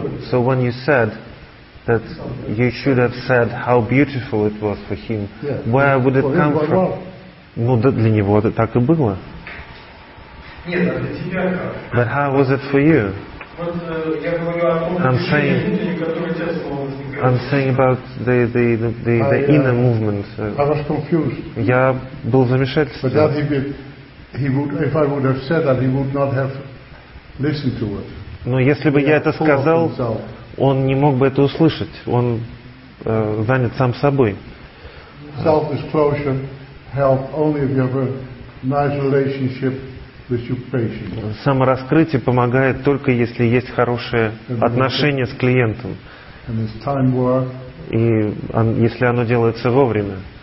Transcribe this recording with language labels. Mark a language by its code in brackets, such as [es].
[en] So when you said that you should have said how beautiful it was for him, yeah. Where would it come from? [ru] Ну, для него это так и было. [en] But how was it for you? I'm saying about the inner movement. I was confused. [ru] Я был в замешательстве. [en] But if I would have said that, he would not have listened to it. [ru] Но если бы я это сказал, он не мог бы это услышать. Он занят сам собой. [en] Self-disclosure help only if you have a nice relationship with your patient. [ru] Самораскрытие помогает только если есть хорошее отношение с клиентом. [en] And it's time work. [ru] И если оно делается вовремя.